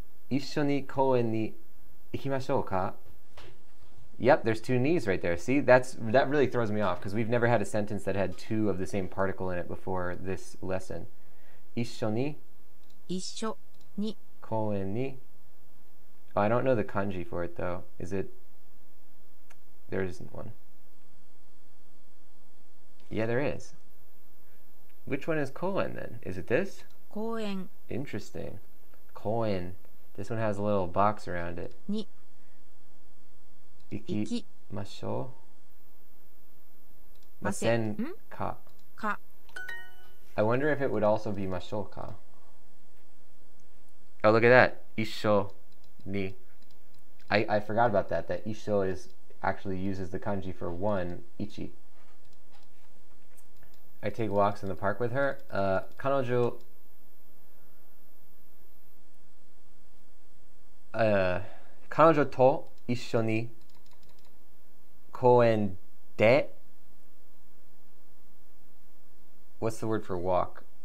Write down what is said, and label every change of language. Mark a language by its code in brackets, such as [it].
[ja] 一緒に公園に行きましょうか? [en] Yep, there's two knees right there. See, that really throws me off because we've never had a sentence that had two of the same particle in it before this lesson. [ja] 一緒に一緒に公園に [en] Oh, I don't know the kanji for it though. Is it? There isn't one. Yeah, there is. Which one is 公園 then? Is it this? [ja] 公園 [en] Interesting. 公園 This one has a little box around it. [ja] に行きましょうませんかか [en] I wonder if it would also be ましょうか? Oh, look at that. [ja] 一緒に [en] I forgot about that. That 一緒 is actually uses the kanji for one, 一. I take walks in the park with her. [ja] 彼女 彼女と一緒に公園で [en] What's the word for walk?